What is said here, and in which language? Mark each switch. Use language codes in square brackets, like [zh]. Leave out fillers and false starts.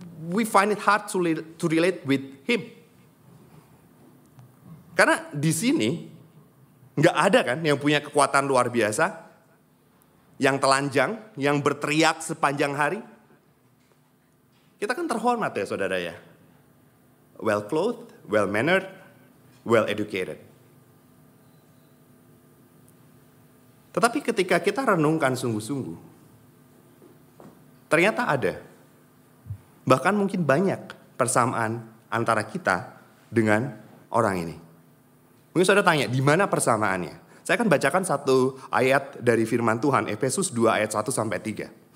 [en] We find it hard to relate with him. [id] Karena di sini nggak ada kan yang punya kekuatan luar biasa, yang telanjang, yang berteriak sepanjang hari. Kita kan terhormat ya saudara ya. [en] Well clothed, well mannered, well educated. [id] Tetapi ketika kita renungkan sungguh-sungguh, ternyata ada, bahkan mungkin banyak persamaan antara kita dengan orang ini. Mungkin saudara tanya, di mana persamaannya? Saya akan bacakan satu ayat dari firman Tuhan, Efesus 2 ayat 1-3.